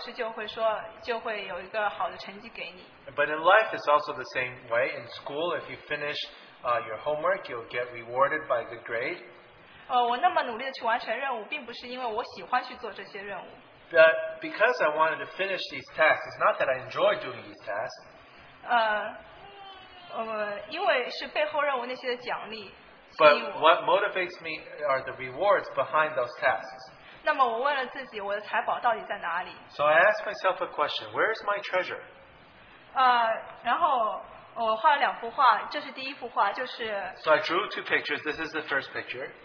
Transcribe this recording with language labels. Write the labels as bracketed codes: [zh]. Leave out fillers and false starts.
[zh] 但是在生活中也是这样,你完成作业,老师就会说,就会有一个好的成绩给你。 [en] But in life, it's also the same way. In school, if you finish your homework, you'll get rewarded by a good grade. [zh] 我那么努力地去完成任务,并不是因为我喜欢去做这些任务。 [en] But because I wanted to finish these tasks, it's not that I enjoy doing these tasks. [zh] 因为是背后任务那些的奖励, [en] but what motivates me are the rewards behind those tasks. [zh] 那么我问了自己, [en] so I asked myself a question, where is my treasure? [zh] 然后我画了两幅画, 这是第一幅画, [en] so I drew two pictures, this is the first picture.